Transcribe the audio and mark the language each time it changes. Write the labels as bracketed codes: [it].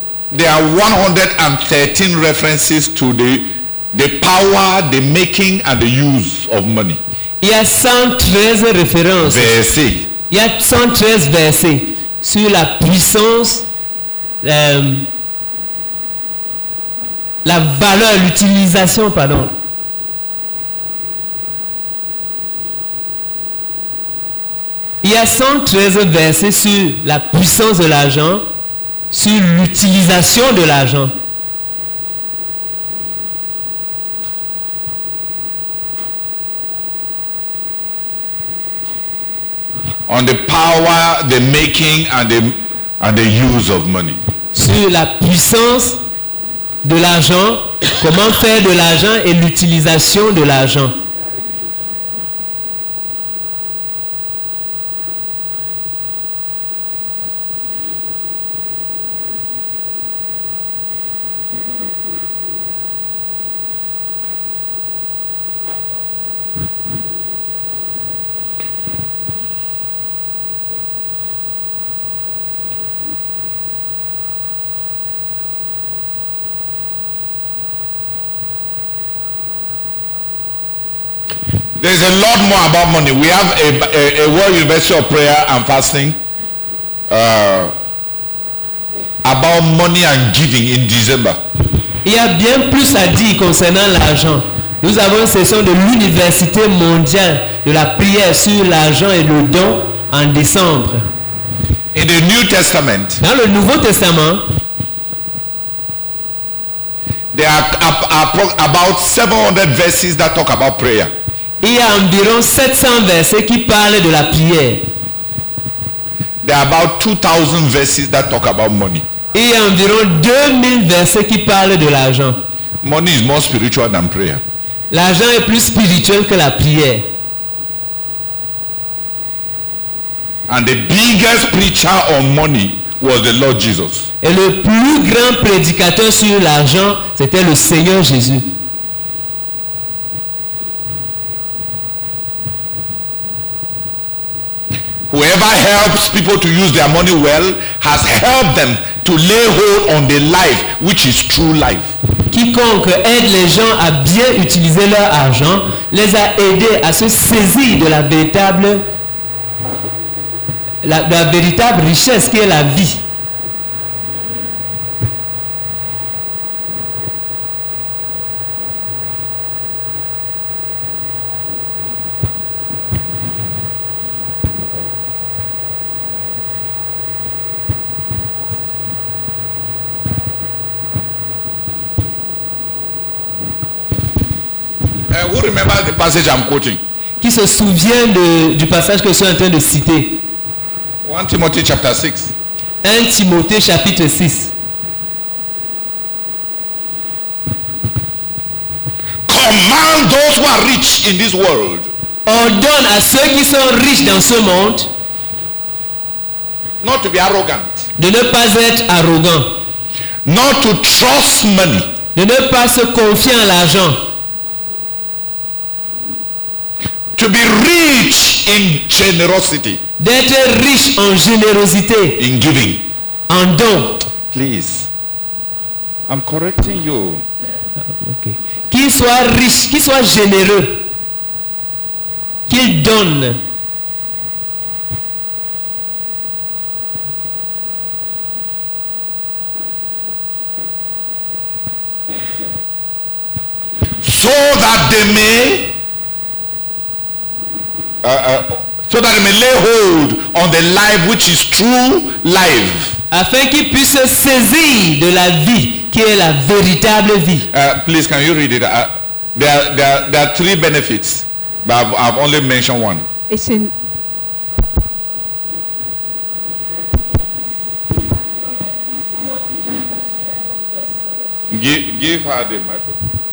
[en] there are 113 references to the power, the making and the use of money. [fr] Il y a 113 références. Versets. Il y a 113 versets sur la puissance, la valeur, l'utilisation, pardon. Il y a 113 versets sur la puissance de l'argent, sur l'utilisation de l'argent. [en] On the power, the making, and the use of money. [fr] Sur la puissance de l'argent, comment faire de l'argent et l'utilisation de l'argent. [en] There's a lot more about money. We have a World University of Prayer and Fasting about money and giving in December. [fr] Il y a bien plus à dire concernant l'argent. Nous avons une session de l'Université mondiale de la prière sur l'argent et le don en décembre. [en] In the New Testament, [fr] dans le Nouveau Testament, [en] there are about 700 verses that talk about prayer. [fr] Il y a environ 700 versets qui parlent de la prière. [en] There are about 2000 verses that talk about money. [fr] Il y a environ 2000 versets qui parlent de l'argent. [en] Money is more spiritual than prayer. [fr] L'argent est plus spirituel que la prière. [en] And the biggest preacher on money was the Lord Jesus. [fr] Et le plus grand prédicateur sur l'argent, c'était le Seigneur Jésus. [en] Whoever helps people to use their money well has helped them to lay hold on the life which is true life. [fr] Quiconque aide les gens à bien utiliser leur argent les a aidés à se saisir de la véritable richesse qui est la vie. [en] Passage I'm quoting. [fr] Qui se souvient du passage que je suis en train de citer? [en] 1 Timothy chapter 6. [fr] 1 Timothée chapitre 6. [en] Command those who are rich in this world. [fr] Ordonne à ceux qui sont riches dans ce monde. [en] Not to be arrogant. [fr] De ne pas être arrogant. [en] Not to trust money. [fr] De ne pas se confier en l'argent. [en] To be rich in generosity. [fr] D'être riche en générosité. [en] In giving. [fr] En don. [en] Please. I'm correcting you. [fr] Okay. Qu'il soit riche, qu'il soit généreux. Qu'il donne. [en] So that they may so that they may lay hold on the life which is true life. [fr] Afin qu'ils puissent se saisir de la vie qui est la véritable vie. [en] Please, can you read it? There are three benefits, but I've only mentioned one. Give her the microphone.